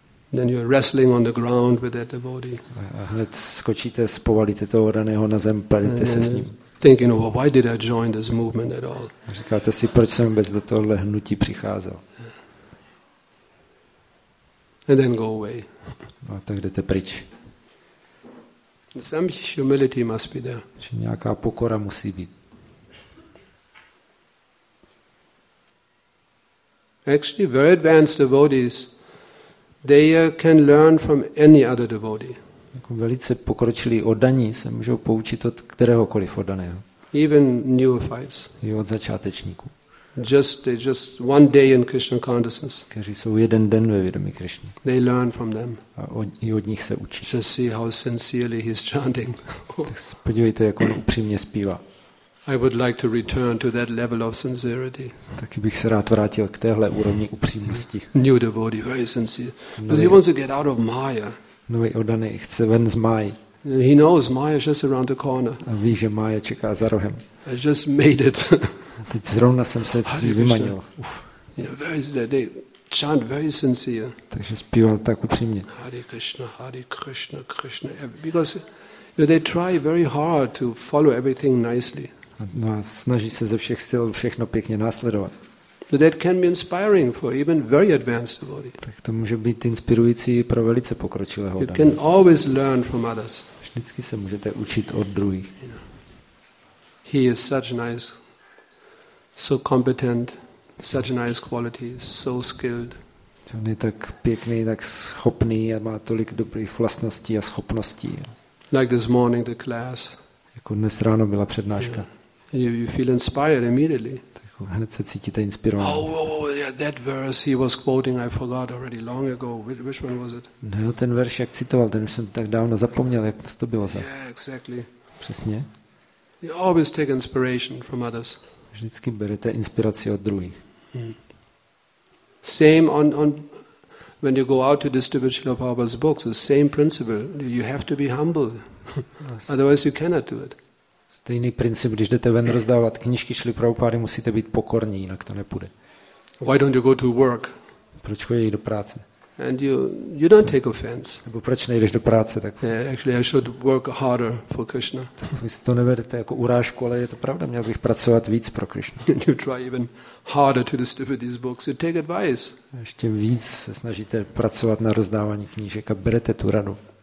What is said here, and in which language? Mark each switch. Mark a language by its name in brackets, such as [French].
[English] Then you're wrestling on the ground with that devotee. [Czech] A hned skočíte, spovalíte toho daného na zem, palíte se s ním. [English] Thinking, well, why did I join this movement at all? [Czech] A říkáte si, proč jsem vůbec do tohohle hnutí přicházel? [English] And then go away. [Czech] A tak jdete pryč. [English] Some humility must be there. [Czech] Že nějaká pokora musí být. [English] Actually, very advanced devotees, they can learn from any other devotee. [Czech] Jako velice pokročilí oddaní se můžou poučit od kteréhokoliv oddaného. [English] Even neophytes. [Czech] I od začátečníků. [English] Just one day in Krishna consciousness. [Czech] Kteří jsou jeden den ve vědomí Krishny. [English] They learn from them. [Czech] A i od nich se učí. [English] Just see how sincerely he's chanting. [Czech] Tak podívejte, jak on upřímně zpívá. [English] I would like to return to that level of sincerity. [Czech] Taky bych se rád vrátil k téhle úrovni upřímnosti. [English] New devotee, very sincere. Because he wants to get out of Maya. [Czech] Nový oddaný chce ven z Máji. [English] He knows Maya just around the corner. [Czech] A ví, že Maya čeká za rohem. [English] I just made it. [Czech] Teď zrovna jsem se si vymanil. [English] They chant very sincere. [Czech] Takže zpíval tak upřímně. [English] Hare Krishna, Krishna. Because they try very hard to follow everything nicely. [Czech] No, snaží se ze všech sil všechno pěkně následovat. [English] But that can be inspiring for even very advanced devotees. [Czech] Tak to může být inspirující pro velice pokročilého. [English] You can always learn from others. [Czech] Vždycky se můžete učit od druhých. [English] He is such nice, so competent, such nice qualities, so skilled. [Czech] On je tak pěkný, tak schopný a má tolik dobrých vlastností a schopností. [English] Like this morning the class. [Czech] Jako dnes ráno byla přednáška. [English] Yeah. You feel inspired immediately. [Czech] Tak hned se cítíte inspirovaný. [English] Oh, that verse he was quoting, I forgot already long ago. Which one was it? [Czech] No, ten verš, jak citoval, ten už jsem tak dávno zapomněl, jak to bylo za. [English] Yeah, exactly. [Czech] Přesně. [English] You always take inspiration from others. [Czech] Vždycky berete inspiraci od druhých. [English] Same on when you go out to distribute Srila Prabhupada's books, the same principle, you have to be humble. Otherwise you cannot do it. [Czech] Stejný princip, když jdete ven rozdávat knížky Srila Prabhupády, musíte být pokorní, jinak to nepůjde. [English] Why don't you go to work? [Czech] Proč chodíš do práce? [English] And you don't take offense. [Czech] Nebo proč nejdeš do práce, tak? [English] Yeah, actually I should work harder for Krishna. [Czech] Vy si to neberete jako urážku, ale je to pravda, měl bych pracovat víc pro Krishna. [English] You try even harder to distribute these books. You take advice. [Czech] Ještě víc se snažíte pracovat na rozdávání knížek a berete tu radu.